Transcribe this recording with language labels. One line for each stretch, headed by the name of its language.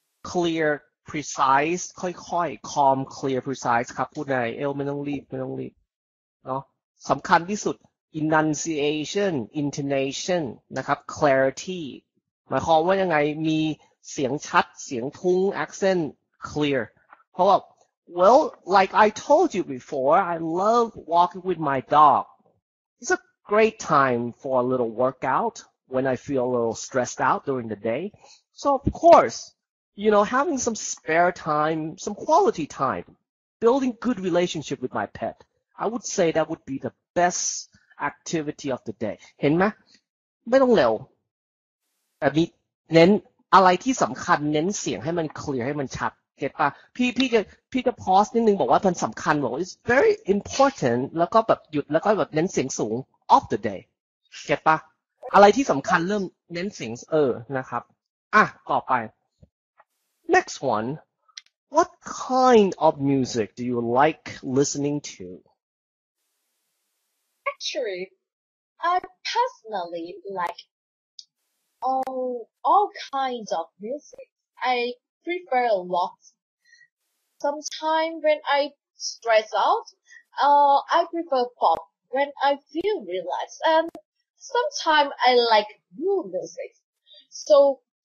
English: clear precise ค่อยๆ calm clear precise
Thai: ครับพูดได้เอลไม่ต้องรีบเนาะสำคัญที่สุด
English: enunciation intonation นะครับ clarity
Thai: หมายความว่ายังไงมีเสียงชัดเสียงทุ้ง
English: accent clear
Thai: เพราะว่า
English: well like I told you before I love walking with my dog it's aGreat time for a little workout when I feel a little stressed out during the day. So of course, you know, having some spare time, some quality time, building good relationship with my pet, I would say that would be the best activity of the day.
Thai: เห็นไหมไม่ต้องเร็วแต่มีเน้น อะไรที่สำคัญเน้นเสียงให้มันเคลียร์ให้มันชัดเก็ตป่ะพี่จะพอสนิดนึงบอกว่ามันสำคัญบอกว่า
English: it's very important
Thai: แล้วก็แบบหยุดแล้วก็แบบเน้นเสียงสูง of the day เก็ตป่ะอะไรที่สำคัญเริ่มเน้นเสียงนะครับอ่ะต่อไป next one
English: what kind of music do you like listening to actually I personally like all kinds of music I prefer a lot sometimes when I stress out I prefer pop when I feel relaxed andSometimes I like new music, so